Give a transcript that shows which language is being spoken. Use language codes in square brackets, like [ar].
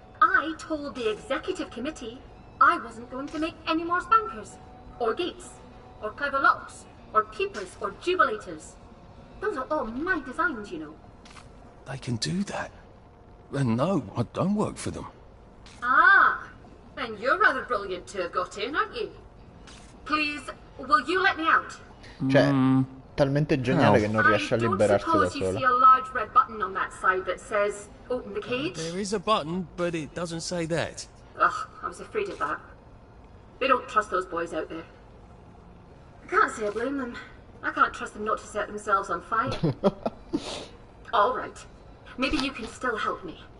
[en] I told the executive committee I wasn't going to make any more spankers. Or gates. Or clever locks. Or peepers. Or jubilators. Those are all my designs, you know. They can do that. And no, I don't work for them. Ah, then you're rather brilliant to have got in, aren't you? Please, will you let me out? [it] Talmente geniale che non riesce a liberarsi da sola. [en] There is a button, but it doesn't say that. Ugh, I was afraid of that. They don't trust those boys out there. I can't say I blame them. I can't trust them not to set themselves on fire. All right. Maybe you can still help me.